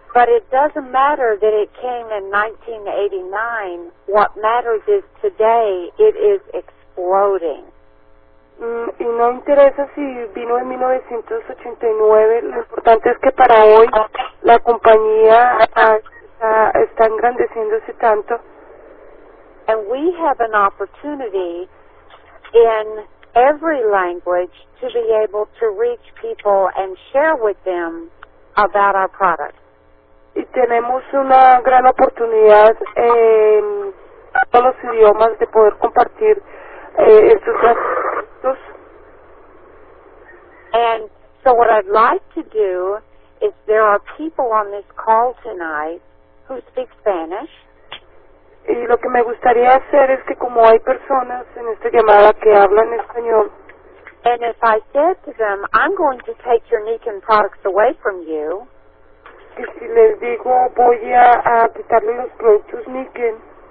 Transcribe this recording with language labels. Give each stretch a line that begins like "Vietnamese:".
English: But it doesn't matter that it came in 1989. What matters is today it is exploding.
Spanish: Y no interesa si vino en 1989, lo importante es que para hoy la compañía está engrandeciéndose tanto.
English: And we have an opportunity in every language to be able to reach people and share with them about our products.
Spanish: Y tenemos una gran oportunidad en todos los idiomas de poder compartir estos.
English: And so what I'd like to do is there are people on this call tonight who speak Spanish.
Spanish: Y lo que me gustaría hacer es que como hay personas en esta llamada que hablan español.
English: And if I said to them, I'm going to take your Nikon products away from you.
Spanish: Y si les digo, voy a quitarle los productos Nikon.